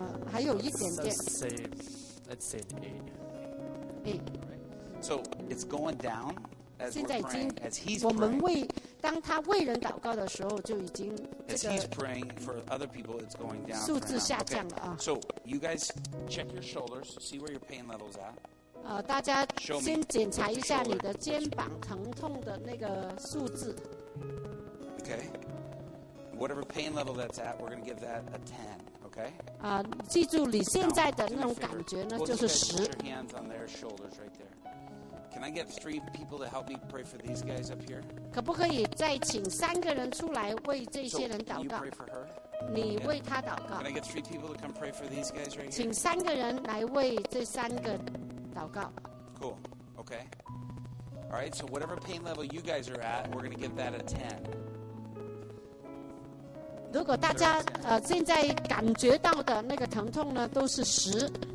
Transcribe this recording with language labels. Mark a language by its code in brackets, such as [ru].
[zh] 还有一点点。 [en] Let's say eight. So it's going down as we're praying. As he's praying. [zh] 我们为当他为人祷告的时候，就已经这个数字下降了啊。 [en] For other people, it's going down. [zh] 数字下降了啊。 [en] So you guys check your shoulders, see where your pain level's at. [zh] 大家先检查一下你的肩膀疼痛的那个数字。 [en] Okay. Whatever pain level that's at, we're going to give that a 10. Okay. [zh] 记住你现在的那种感觉呢，就是十。 [en] Put your hands on their shoulders right there. Can I get three people to help me pray for these guys up here? [zh] 可不可以再请三个人出来为这些人祷告？ [en] So, can you pray for her? [zh] 你为她祷告。 [en] Can I get three people to come pray for these guys right here? [zh] 请三个人来为这三个祷告。 [en] Cool. Okay. All right. So whatever pain level you guys are at, we're going to give that a 10. [zh] 如果大家现在感觉到的那个疼痛呢，都是十。